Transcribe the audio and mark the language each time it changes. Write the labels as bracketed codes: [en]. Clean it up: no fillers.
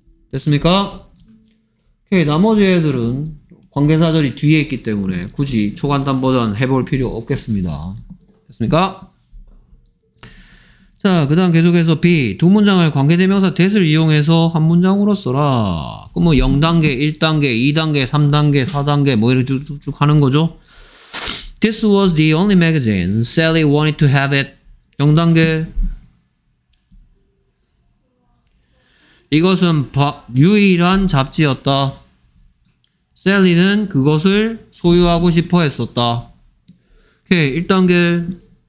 [ko] 됐습니까? 오케이, 나머지 애들은 관계사절이 뒤에 있기 때문에 굳이 초간단보전 해볼 필요 없겠습니다. 됐습니까? 자, 그 다음 계속해서 B. 두 문장을 관계대명사 that을 이용해서 한 문장으로 써라. 그럼 뭐 0단계, 1단계, 2단계, 3단계, 4단계 뭐 이렇게 쭉쭉쭉 하는 거죠. [en] This was the only magazine Sally wanted to have it. [ko] 0단계. 이것은 유일한 잡지였다. Sally는 그것을 소유하고 싶어 했었다. 오케이, 1단계.